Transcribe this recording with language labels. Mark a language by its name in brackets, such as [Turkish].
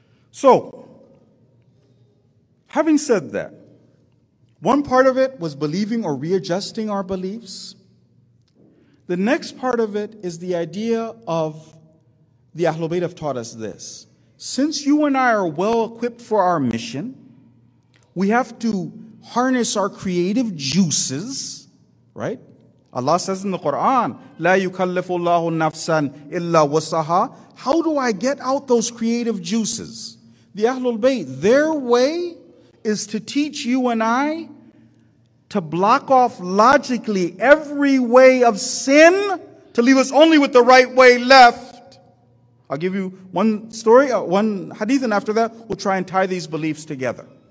[English] So, having said that, one part of it was believing or readjusting our beliefs. The next part of it is the idea of the Ahlul Bayt have taught us this. Since you and I are well equipped for our mission, we have to harness our creative juices, right? Allah says in the Quran, [Arabic] لَا يُكَلِّفُ اللَّهُ نَفْسًا إِلَّا وَسَّهَا. [English] How do I get out those creative juices? The Ahlul Bayt, their way is to teach you and I to block off logically every way of sin to leave us only with the right way left. I'll give you one story, one hadith, and after that, we'll try and tie these beliefs together.